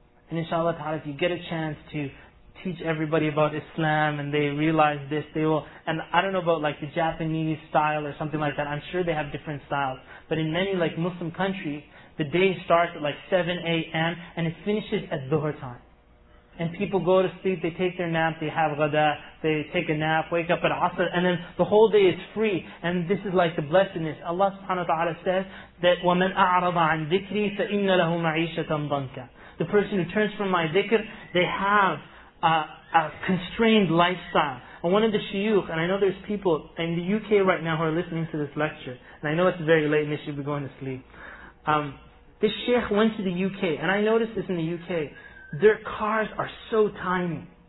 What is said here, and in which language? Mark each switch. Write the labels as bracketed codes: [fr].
[en] And inshallah ta'ala, if you get a chance to teach everybody about Islam and they realize this, they will, and I don't know about like the Japanese style or something like that, I'm sure they have different styles, but in many like Muslim countries, the day starts at like 7 a.m. and it finishes at Dhuhr time. And people go to sleep, they take their nap, they have ghada, they take a nap, wake up at Asr, and then the whole day is free. And this is like the blessedness. Allah subhanahu wa ta'ala says that [ar] وَمَنْ أَعْرَضَ عَنْ ذِكْرِي فَإِنَّ لَهُ مَعِيشَةً ضَنْكًا. [en] The person who turns from my dhikr, they have a constrained lifestyle. And one of the shuyukh, and I know there's people in the UK right now who are listening to this lecture, and I know it's very late and they should be going to sleep. This shaykh went to the UK, and I noticed this in the UK. Their cars are so tiny.